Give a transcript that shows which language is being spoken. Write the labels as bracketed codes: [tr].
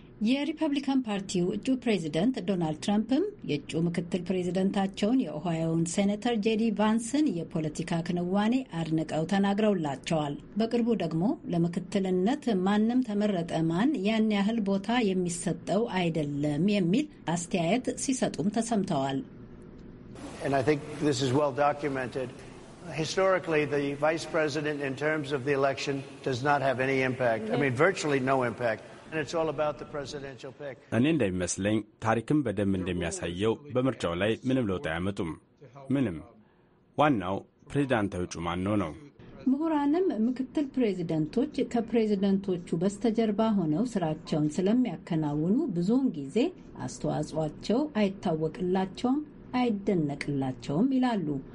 [am] የሪፐብሊካን ፓርቲው እጩ ፕሬዚደንት ዶናልድ ትራምፕም የእጩ ምክትል ፕሬዚደንታቸውን የኦሃዮውን ሴኔተር ጄዲ ቫንስን የፖለቲካ ክንዋኔ አድንቀው ተናግረውላቸዋል። በቅርቡ ደግሞ ለምክትልነት ማንም ተመረጠ ማን ያን ያህል ቦታ የሚሰጠው አይደለም የሚል አስተያየት ሲሰጡም ተሰምተዋል። [en] And I think this is well documented. Historically, the vice president in terms of the election does not have any impact. I mean, virtually no impact. And it's all about the presidential pick. [am] እኔ እንደሚመስለኝ ታሪክም በደም እንደሚያሳየው በምርጫው ላይ ምንም ለውጥ አያመጡም። ምንም። ዋናው ፕሬዝዳንታዊ እጩ ማነው ነው። ምሁራንም ምክትል ፕሬዝዳንቶች ከፕሬዝዳንቶቹ በስተጀርባ ሆነው ስራቸውን ስለሚያከናውኑ ብዙውን ጊዜ አስተዋጽኦአቸው አይታወቅላቸውም አይደነቅላቸውም ይላሉ።